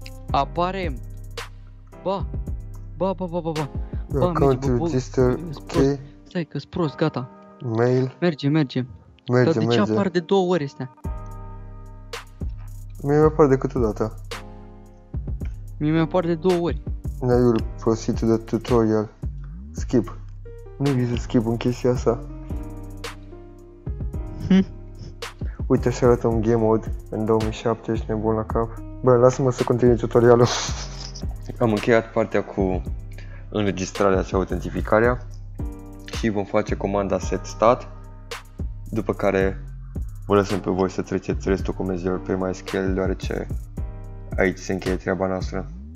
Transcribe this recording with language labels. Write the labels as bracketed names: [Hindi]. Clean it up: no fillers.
[Romanian] Apare... Ba, ba, ba, ba, ba, ba. [English] Account register, ok. [Romanian] Stai că-s prost, gata. Mail. Merge, merge. Merge, dar de merge. Ce apar de două ori astea? Mie mi-a apar de câteodată. Mie mi-a apar de două ori. [English] Now you'll proceed to the tutorial. Skip. [Romanian] Nu există skip în chestia asta. Uite, așa arată un game mode în 2007, ești nebun la cap. Bă, lasă-mă să continui tutorialul. Am încheiat partea cu înregistrarea și autentificarea și vom face comanda set stat, după care vă lăsăm pe voi să treceți restul comenzilor pe MySQL, deoarece aici se încheie treaba noastră.